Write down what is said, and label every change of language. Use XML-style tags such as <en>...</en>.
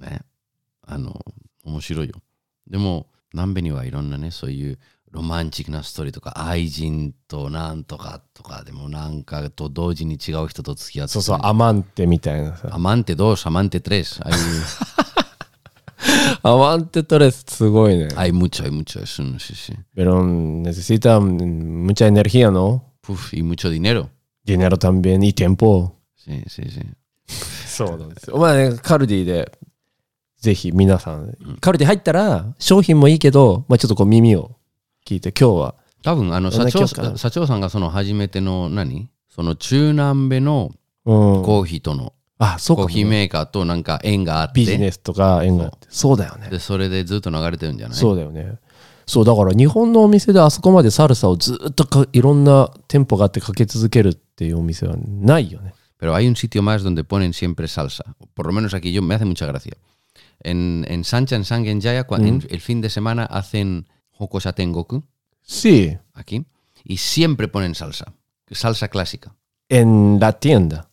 <ja>ね、あの面白いよでも南米にはいろんなねそういうロマンチックなストーリーとか愛人となんとかとかでもなんかと同時に違う人と付き合ってそうそうアマンテみたいなさアマンテ2アマンテ3ああいうアマンテ3すごいねはいむちゃいむちゃいすんしし</ja> <es>pero necesita mucha energía no puf y mucho dinero dinero también y tiempo sí sí sí</es> <ja>そうなんですよ。まあね、カルディでぜひ皆さん、うん、カルディ入ったら商品もいいけど、まあ、ちょっとこう耳を聞いて今日は多分あの社長さんがその初めての何その中南米のコーヒーとの、うん、あそうかコーヒーメーカーとなんか縁があってビジネスとか縁があってそうだよねでそれでずっと流れてるんじゃないそうだよねそうだから日本のお店であそこまでサルサをずっとかいろんな店舗があってかけ続けるっていうお店はないよね</ja> <es>Pero hay un sitio más donde ponen siempre salsa. Por lo menos aquí yo, me hace mucha gracia. En Sancha, en Sangen Jaya, cuando, mm. el fin de semana hacen Hokosa Tengoku. Sí. Aquí. Y siempre ponen salsa. Salsa clásica. ¿En la tienda?</es>